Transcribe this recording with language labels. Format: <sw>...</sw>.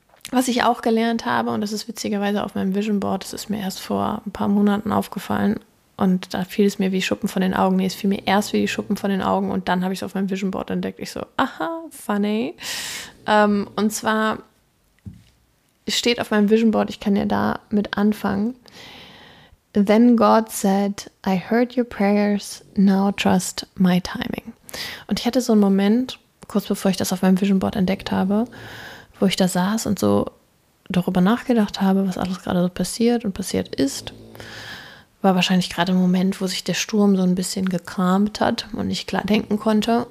<de>Was ich auch gelernt habe, und das ist witzigerweise auf meinem Vision Board, das ist mir erst vor ein paar Monaten aufgefallen und da fiel es mir wie Schuppen von den Augen. Nee, es fiel mir erst wie die Schuppen von den Augen und dann habe ich es auf meinem Vision Board entdeckt. Ich so, aha, funny. Und zwar steht auf meinem Vision Board, ich kann ja da mit anfangen.</de> <en>Then God said, I heard your prayers, now trust my timing.</en> <de>Und ich hatte so einen Moment, kurz bevor ich das auf meinem Vision Board entdeckt habe, wo ich da saß und so darüber nachgedacht habe, was alles gerade so passiert und passiert ist. War wahrscheinlich gerade ein Moment, wo sich der Sturm so ein bisschen gekramt hat und ich klar denken konnte.</de>